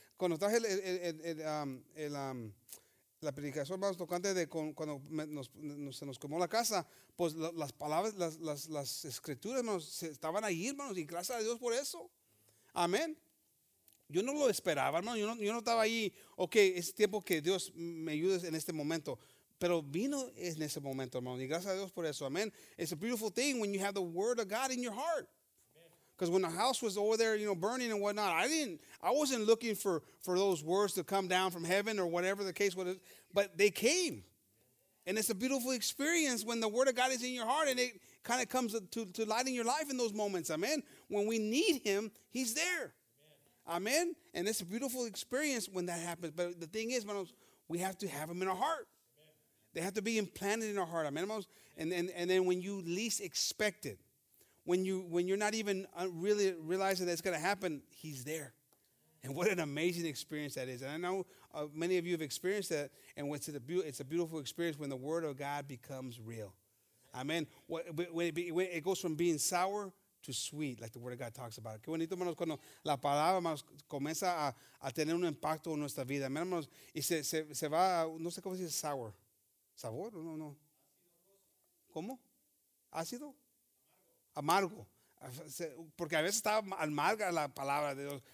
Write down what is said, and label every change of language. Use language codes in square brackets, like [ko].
[es] Cuando traje la predicación, hermanos, tocante de cuando se nos quemó la casa, pues las palabras, las escrituras, hermanos, estaban ahí, hermanos, y gracias a Dios por eso. Amén. Yo no lo esperaba, hermano. Yo no estaba ahí, ok, es tiempo que Dios me ayude en este momento. Pero vino en ese momento, hermano, y gracias a Dios por eso. Amén. [en] It's a beautiful thing when you have the word of God in your heart. Because when the house was over there, you know, burning and whatnot, I wasn't looking for those words to come down from heaven or whatever the case was, but they came. And it's a beautiful experience when the word of God is in your heart and it kind of comes to light in your life in those moments. Amen. When we need him, he's there. Amen. And it's a beautiful experience when that happens. But the thing is, hermanos, we have to have him in our heart. They have to be implanted in our heart. Amen. And then when you least expect it, When you're not even really realizing that it's going to happen, he's there. And what an amazing experience that is. And I know many of you have experienced that. And it's a beautiful experience when the word of God becomes real. Amen. When it goes from being sour to sweet, like the word of God talks about. [es] Qué bonito, hermanos, cuando la palabra, hermanos, comienza a tener un impacto en nuestra vida. Amen, hermanos. Y se va, no sé cómo se dice, sour. ¿Sabor? No, no. ¿Cómo? ¿Ácido? Amargo, porque a veces estaba amarga la palabra de Dios.